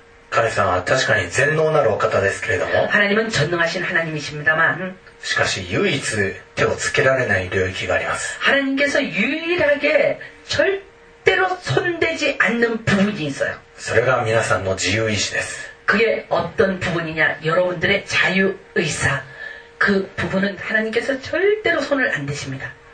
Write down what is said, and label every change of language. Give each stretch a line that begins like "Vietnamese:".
Japanese: カレさんは確かに全能なるお方ですけれども
Korean: 하나님은전능하신하나님이십니다만
Japanese: しかし唯一手をつけられない領域があります
Korean: 하나님께서유일하게절대로손대지않는부분이있어요
Japanese: それが皆さんの自由意志です
Korean: 그게어떤부분이냐여러분들의자유의사그부분은하나님께서절대로손을안대십니다